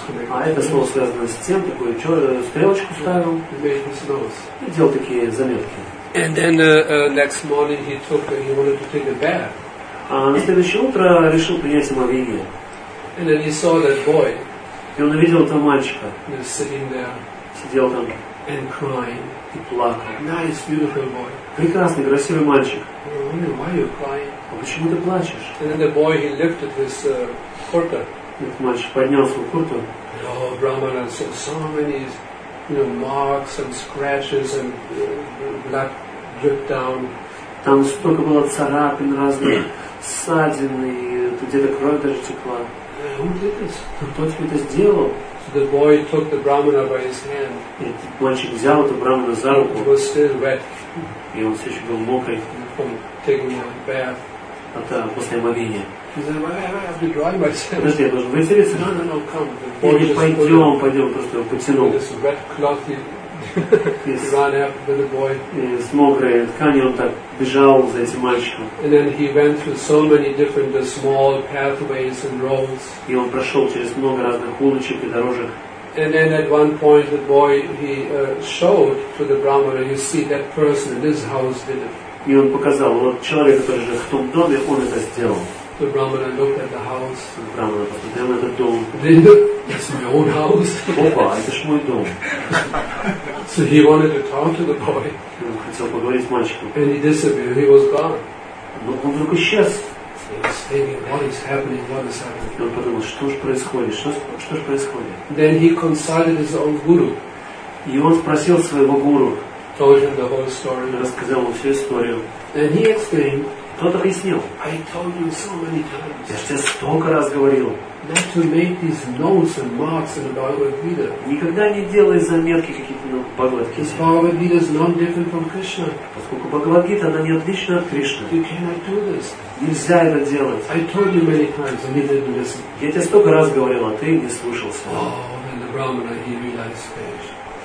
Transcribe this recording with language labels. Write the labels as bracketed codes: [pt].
[ru] А это слово связано с тем, такую стрелочку ставил. И делал такие заметки. [en] And then next morning he took and he wanted to take a bath. [ru] А на следующее утро решил принять омовение. [en] And then he saw that boy. [ru] И он увидел этого мальчика. [en] Sitting there. [ru] Сидел там. [en] And crying. [ru] И плакал. [en] Nice, beautiful boy. [ru] Прекрасный, красивый мальчик. [en] Why are you crying? [ru] А почему ты плачешь? [en] And then the boy he lifted his kurta. [ru] Этот мальчик поднял свою куртку. [en] Oh, brahmana, so many. Marks and scratches and blood dripped down. [ru] Там столько было царапин разных, ссадин, и где-то кровь даже текла. [en] Who did this? [ru] Кто тебе это сделал? [en] So the boy took the brahmana by his hand. [ru] Этот мальчик взял эту брахмана за руку. [en] It was still wet. [ru] И он все еще был мокрый. [en] From taking a bath. [ru] От после омовения. Подожди, я должен вытереться? [en] No, no, no, come. [ru] Или пойдем, пойдем, просто его потянул. [en] This red cloth he ran after the boy. [ru] И с мокрой тканью он так бежал за этим мальчиком. [en] And then he went through so many different small pathways and roads. [ru] И он прошел через много разных улочек и дорожек. [en] And then at one point the boy he showed to the brahmana, you see that person in this house did it. [ru] И он показал, вот человек, который живет в том доме, он это сделал. [en] The brahmana looked at the house. [ru] Брахмана посмотрел на этот дом. [en] It's my own house. [ru] Опа, это ж мой дом. [en] So he wanted to talk to the boy. [ru] Он хотел поговорить с мальчиком. [en] And he disappeared. He was gone. [ru] Но он вдруг исчез. [en] He was thinking, what is happening? What is happening? [ru] И он подумал, что ж происходит? Что ж происходит? [en] Then he consulted his own guru. [ru] И он спросил своего гуру. [en] Told him the whole story. [ru] Рассказал ему всю историю. [en] And he explained. [ru] Тот объяснил. [en] I told you so many times. [ru] Я тебе столько раз говорил. [en] Not to make these notes and marks in the Bhagavad Gita. [ru] Никогда не делай заметки какие-то на Бхагавад Гите. [en] Because Bhagavad Gita is not different from Krishna. [ru] Поскольку Бхагавад Гита, она не отлична от Кришны. [en] You cannot do this. [ru] Нельзя это делать. [en] I told you many times and you didn't listen. [ru] Я тебе столько раз говорил, а ты не слушался. [en] Oh, then the Brahmana, he realized that.